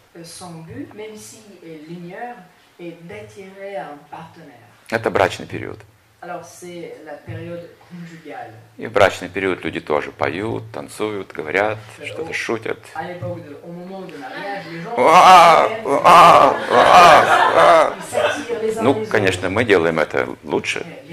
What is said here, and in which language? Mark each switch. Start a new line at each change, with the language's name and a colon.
French: Son but, même si elle l'ignore, est d'attirer un partenaire.
Russian: Это брачный период.
French: Alors, c'est la période conjugale.
Russian: И в брачный период люди тоже поют, танцуют, говорят, что-то шутят.
French: À l'époque de, au moment de mariage, les gens
Russian: Ну, конечно, мы делаем это лучше.